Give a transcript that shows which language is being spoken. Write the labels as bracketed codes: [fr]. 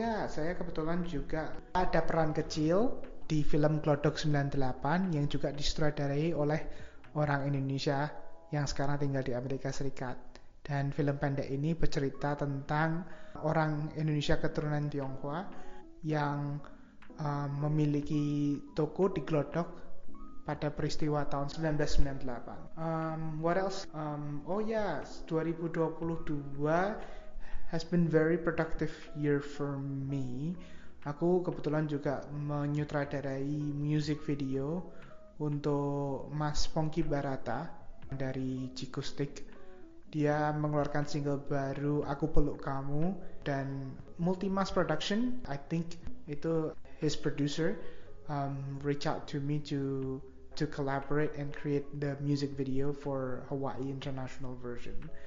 [id] Saya kebetulan juga ada peran kecil di film Glodok 98 yang juga disutradarai oleh orang Indonesia yang sekarang tinggal di Amerika Serikat. Dan film pendek ini bercerita tentang orang Indonesia keturunan Tionghoa yang memiliki toko di Glodok pada peristiwa tahun 1998. [en] What else? 2022 has been very productive year for me. [id] Aku kebetulan juga menyutradarai music video untuk Mas Pongki Barata dari Jikustik. Dia mengeluarkan single baru [en] Aku Peluk Kamu, dan Multimass Production, I think itu his producer, reach out to me to collaborate and create the music video for Hawaii International version.